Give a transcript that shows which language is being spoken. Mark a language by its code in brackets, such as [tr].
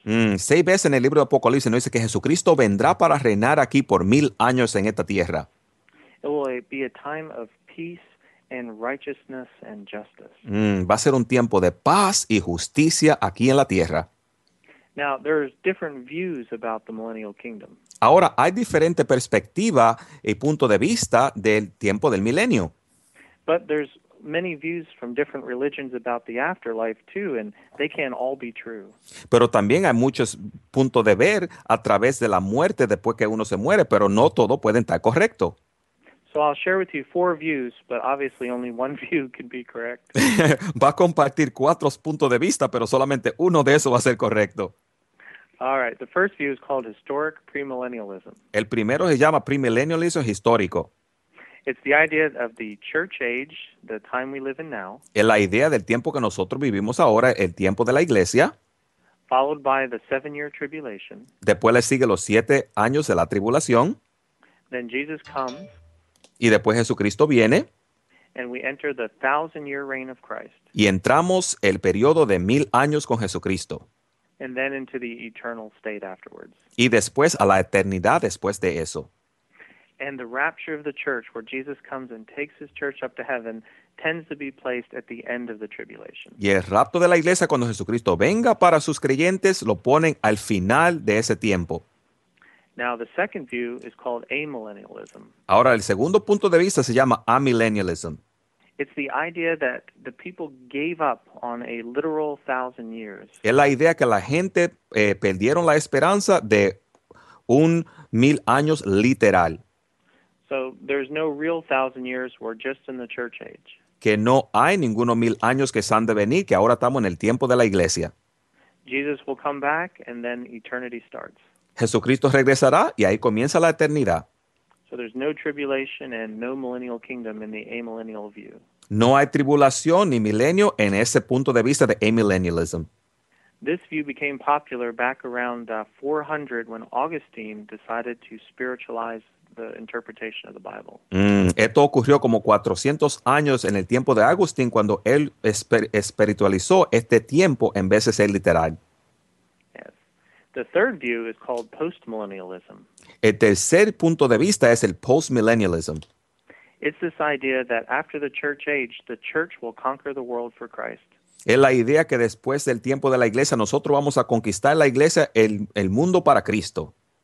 [es] 6 veces en el libro de Apocalipsis nos dice que Jesucristo vendrá para reinar aquí por 1,000 años en esta tierra. [en] It will be a time of peace and righteousness and justice. [es] Va a ser un tiempo de paz y justicia aquí en la tierra. [en] Now, there's different views about the millennial kingdom. [es] Ahora, hay diferente perspectiva y punto de vista del tiempo del milenio. [en] But there's many views from different religions about the afterlife too, and they can't all be true. [es] Pero también hay muchos puntos de ver a través de la muerte después que uno se muere, pero no todo pueden estar correcto. [en] So I'll share with you 4 views, but obviously only 1 view can be correct. [es] Va a compartir 4 puntos de vista, pero solamente uno de esos va a ser correcto. [en] All right, the first view is called historic premillennialism. [es] El primero se llama premillennialismo histórico. [en] It's the idea of the church age, the time we live in now. [es] Es la idea del tiempo que nosotros vivimos ahora, el tiempo de la iglesia. [en] Followed by the 7-year tribulation. [es] Después le sigue los 7 años de la tribulación. [en] Then Jesus comes. [es] Y después Jesucristo viene. [en] And we enter the 1,000-year reign of Christ. [es] Y entramos el periodo de 1,000 años con Jesucristo. [en] And then into the eternal state afterwards. [es] Y después a la eternidad después de eso. [en] And the rapture of the church, where Jesus comes and takes his church up to heaven, tends to be placed at the end of the tribulation. [es] Y el rapto de la iglesia cuando Jesucristo venga para sus creyentes lo ponen al final de ese tiempo. [en] Now the second view is called amillennialism. [es] Ahora el segundo punto de vista se llama amillennialism. [en] It's the idea that the people gave up on a literal 1,000 years. [es] Es la idea que la gente perdieron la esperanza de un 1,000 años literal. [en] So there's no real 1,000 years. We're just in the church age. [es] Que no hay ninguno 1,000 años que se han de venir, que ahora estamos en el tiempo de la iglesia. [en] Jesus will come back and then eternity starts. [es] Jesucristo regresará y ahí comienza la eternidad. [en] So there's no tribulation and no millennial kingdom in the amillennial view. [es] No hay tribulación ni milenio en ese punto de vista de amillennialism. [en] This view became popular back around 400 when Augustine decided to spiritualize the interpretation of the Bible. [es] Esto ocurrió como 400 años en el tiempo de Agustín cuando él espiritualizó este tiempo en vez de ser literal. [en] The third view is called postmillennialism. [es] El tercer punto de vista es el postmillennialism. [en] It's this idea that after the church age, the church will conquer the world for Christ. [es] Es la idea que después del tiempo de la iglesia, nosotros vamos a conquistar la iglesia, el mundo para Cristo.